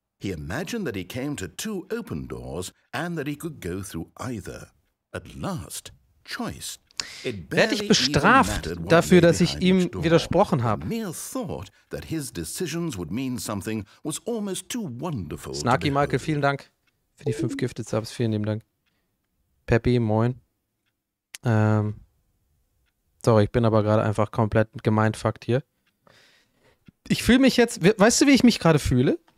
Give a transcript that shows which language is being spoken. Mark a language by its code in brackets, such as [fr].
[en] He imagined that he came to 2 open doors and that he could go through either. At last, choice. [de] Werde ich bestraft dafür, dass ich ihm widersprochen habe? [en] Mere thought that his decisions would mean something was almost too wonderful. [de] Snarky Michael, vielen Dank für die 5 Gifted Subs. Vielen lieben Dank. Peppy, moin. Sorry, ich bin aber gerade einfach komplett gemeinfuckt hier. Ich fühle mich jetzt, weißt du, wie ich mich gerade fühle?